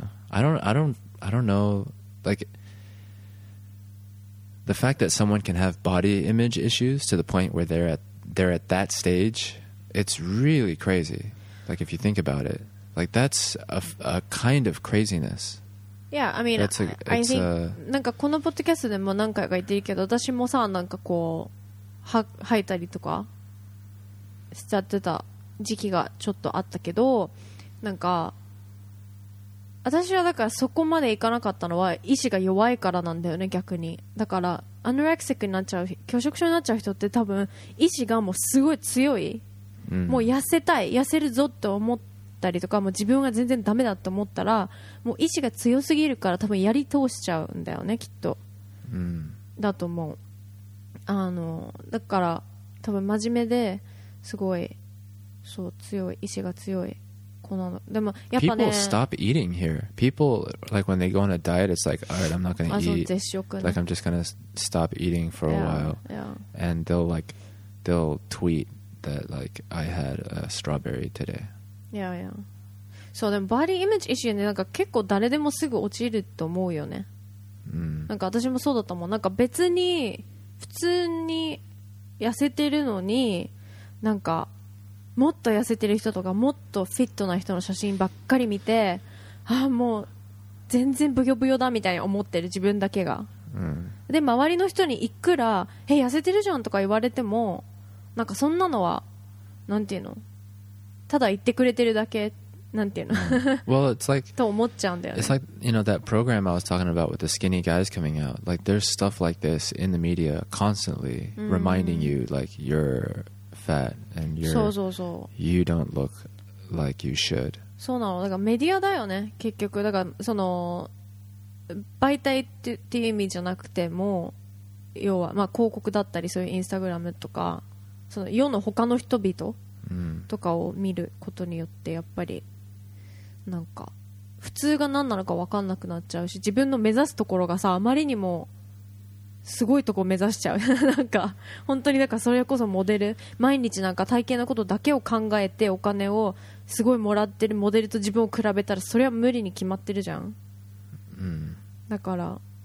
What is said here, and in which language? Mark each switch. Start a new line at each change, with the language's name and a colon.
English: I don't know, like the fact that someone can have body image issues to the point where they're at that stage, it's really crazy. Like if you think about it. Like that's a kind of craziness. Yeah, I mean, I think
Japanese: なんかこのポッドキャストでも何回か言ってるけど、私もさなんかこう吐いたりとかしちゃってた時期がちょっとあったけど、なんか私はだからそこまでいかなかったのは意志が弱いからなんだよね、逆に。だからアノレクシックになっちゃう、拒食症になっちゃう人って多分意志がもうすごい強い、もう痩せたい、痩せるぞって思ってたりとか、もう自分が全然ダメだと思ったらもう意志が強すぎるから多分やり通しちゃうんだよね、きっと。だと思う。だから多分真面目ですごい、そう、強い、意志が強い子なの。でもやっぱね、
English: people stop eating here. People, like when they go on a diet, it's like, all right, I'm not gonna eat.
Japanese: あ、そう、絶食ね。
English: Like I'm just gonna stop eating for a while. Yeah. And they'll tweet that like I had a strawberry today. Yeah, yeah.
Japanese: そう、でもバディイメージイシューね、なんか結構誰でもすぐ落ちると思うよね。なんか私もそうだったもん。なんか別に普通に痩せてるのに、なんかもっと痩せてる人とかもっとフィットな人の写真ばっかり見て、ああもう全然ブヨブヨだみたいに思ってる自分だけが。で周りの人にいくら、え、痩せてるじゃんとか言われても、なんかそんなのはなんていうの。ただ言ってくれてるだけなんていうの。
English: Well, it's like
Japanese: と思っちゃうんだよね。
English: It's like, you know, that program I was talking about with the skinny guys coming out. Like there's stuff like this in the media constantly reminding you like you're fat and you're
Japanese: そう。
English: You don't look like you should.
Japanese: そうなの。だからメディアだよね。結局だからその媒体っていう意味じゃなくても要はまあ広告だったりそういうインスタグラムとかその世の他の人々。とかを見ることによってやっぱりなんか普通が何なのか分かんなくなっちゃうし、自分の目指すところがさあまりにもすごいとこ目指しちゃうなんか本当に、だからそれこそモデル、毎日なんか体型のことだけを考えてお金をすごいもらってるモデルと自分を比べたらそれは無理に決まってるじゃん。だから